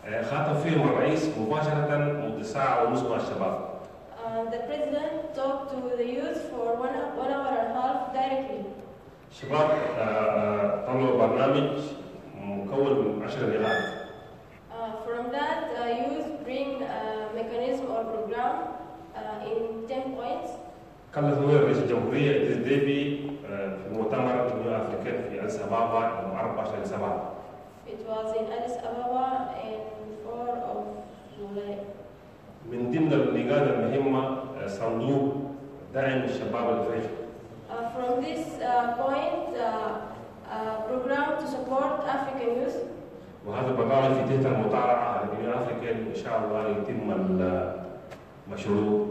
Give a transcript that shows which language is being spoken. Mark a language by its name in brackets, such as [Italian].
[Arabic] خاطب فيهم الرئيس مباشرة مدة ساعة ونص مع الشباب. [English] The president talked to the youth for one hour and a half directly. [Arabic] الشباب طلعوا برنامج مكون من 10 نقاط. [English] From that, youth bring a mechanism or program in 10 points. [Arabic] كلف نوير رئيس الجمهورية إدريس ديبي في مؤتمر الأمم الأفريقية في أديس أبابا يوم 24/7. [English] It was in Addis Ababa in 4 of July. [Arabic] من ضمن النقاط المهمة صندوق دعم الشباب الأفريقي. [English] From this point, program to support African youth. [Arabic] وهذا بقال في تحت المطالعة لجميع أفريقيا إن شاء الله يتم المشروع